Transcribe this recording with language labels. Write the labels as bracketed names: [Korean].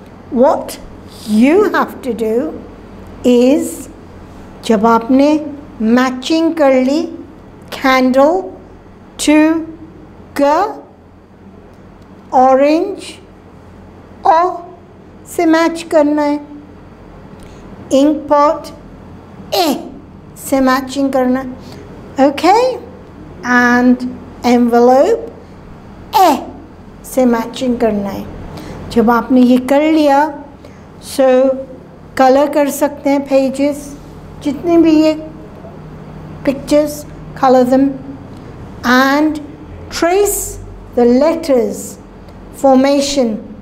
[English] What you have to do is, [Hindi] जब आपने matching कर ली candle to g, orange o से match करना है, ink pot eh से matching करना है. [English] Okay? [Hindi] And envelope ए से matching करना है. जब आपने ये कर लिया, so color कर सकते हैं pages, जितने भी ये pictures, [English] color them and trace the letters formation.